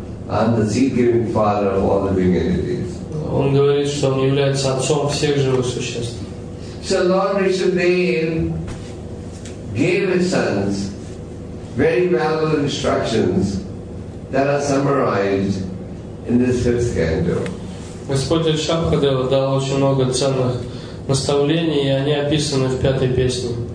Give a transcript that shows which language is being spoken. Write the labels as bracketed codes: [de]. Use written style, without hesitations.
[en] I'm the seed-giving father of all living entities. [ru] Он говорит, что он является отцом всех живых существ. [en] So Lord Rishabdev gave his sons very valuable instructions that are summarized in this fifth canto. [ru] Господь Ришабхадева дал очень много ценных наставлений, и они описаны в пятой песне.